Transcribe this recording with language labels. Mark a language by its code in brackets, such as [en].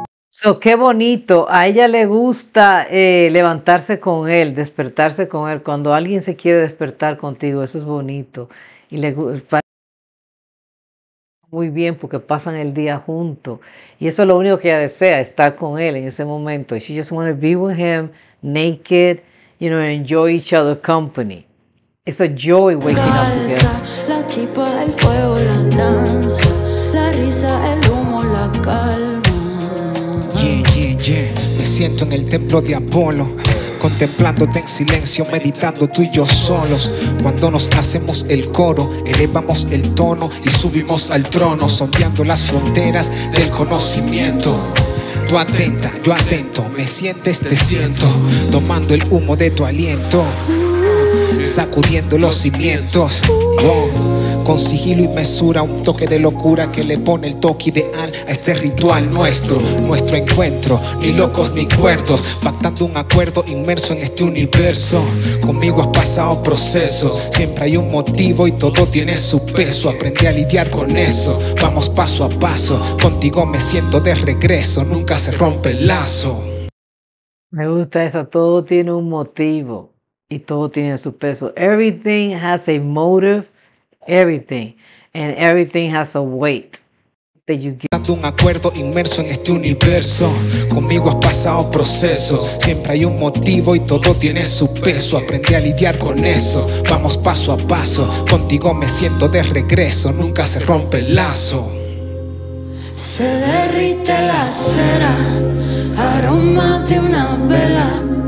[es] So, qué bonito, a ella le gusta levantarse con él, despertarse con él. Cuando alguien se quiere despertar contigo, eso es bonito. Y le gusta muy bien porque pasan el día juntos. Y eso es lo único que ella desea, estar con él en ese momento. [en] She just wants to be with him, naked, you know, enjoy each other's company. It's a joy waking calza, up together. [es] La chispa, el fuego, la danza, la risa, el humo, la calma. [en] Yeah. [es] Me siento en el templo de Apolo, contemplándote en silencio, meditando tú y yo solos. Cuando nos hacemos el coro, elevamos el tono y subimos al trono, sondeando las fronteras del conocimiento. Tú atenta, yo atento, me sientes, te siento, tomando el humo de tu aliento, sacudiendo los cimientos. Oh. Con sigilo y mesura, un toque de locura que le pone el toque ideal a este ritual nuestro. Nuestro encuentro, ni locos ni cuerdos, pactando un acuerdo inmerso en este universo. Conmigo has pasado proceso, siempre hay un motivo y todo tiene su peso. Aprendí a lidiar con eso, vamos paso a paso. Contigo me siento de regreso, nunca se rompe el lazo. Me gusta eso, todo tiene un motivo y todo tiene su peso. [en] Everything has a motive. Everything and everything has a weight that you give. [es] Dando un acuerdo inmerso en este universo. Conmigo has pasado proceso. Siempre hay un motivo y todo tiene su peso. Aprendí a lidiar con eso. Vamos paso a paso. Contigo me siento de regreso. Nunca se rompe el lazo. Se derrite la cera, aroma de una vela.